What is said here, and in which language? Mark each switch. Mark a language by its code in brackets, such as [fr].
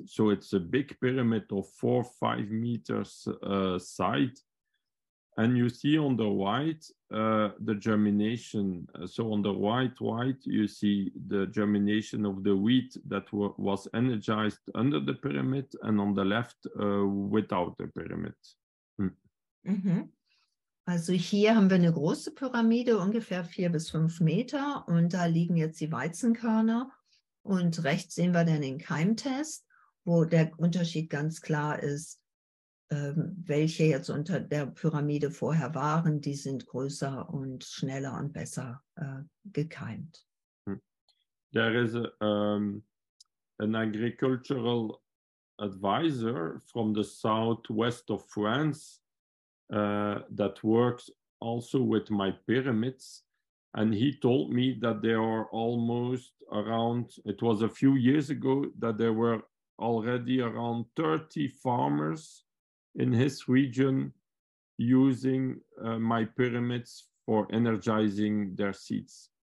[en] So it's a big pyramid of 4-5 meters side. And you see on the white, the germination. So on the white, you see the germination of the wheat that was energized under the pyramid and on the left without the pyramid. [de] Also hier haben wir eine große Pyramide, ungefähr 4 bis 5 Meter, und da liegen jetzt die Weizenkörner. Und rechts sehen wir dann den Keimtest, wo der Unterschied ganz klar ist, welche jetzt unter der Pyramide vorher waren, die sind größer und schneller und besser gekeimt. [en] There is an agricultural advisor from the southwest of France that works also with my pyramids, and he told me that there are almost around, it was a few years ago, that there were already around 30 farmers in his region using my pyramids for energizing their seeds.